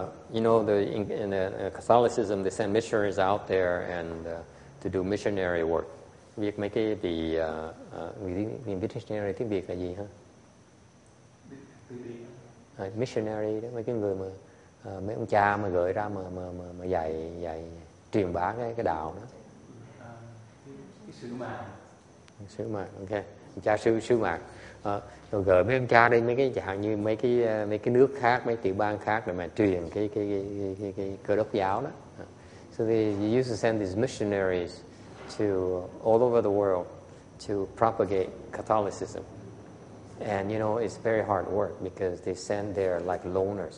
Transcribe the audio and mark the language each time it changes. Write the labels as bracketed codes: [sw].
[en] You know, in the Catholicism, they send missionaries out there and to do missionary work. [vi] Việc mấy cái vị missionary tiếng Việt là gì hả? Missionary đó, mấy cái người mà mấy ông cha mà gửi ra mà dạy truyền bá cái đạo đó. Sứ mạng. Ok. Cha sứ mạng. Rồi gửi mấy ông cha đi mấy cái chẳng như mấy cái nước khác, mấy tiểu bang khác để mà truyền cái Cơ Đốc giáo đó. [en] So they used to send these missionaries to all over the world to propagate Catholicism. And you know, it's very hard work because they send their like loners.